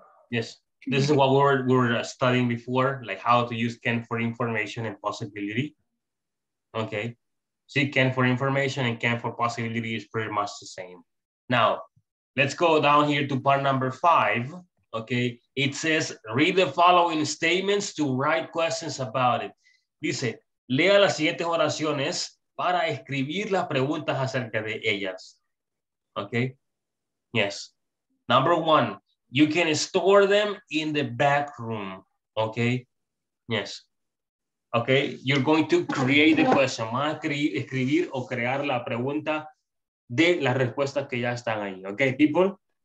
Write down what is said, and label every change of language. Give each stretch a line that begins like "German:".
English: Yes, this is what we were studying before, like how to use can for information and possibility. Okay, see, can for information and can for possibility is pretty much the same. Now, let's go down here to part number 5. Okay, it says, read the following statements to write questions about it.
Spanish: Dice, lea las siguientes oraciones para escribir las preguntas acerca de ellas.
English: Okay? Yes. Number one, you can store them in the back room. Okay? Yes. Okay? You're going to create the question.
Spanish: Van a escribir o crear la pregunta de las respuestas que ya están ahí. Okay, people?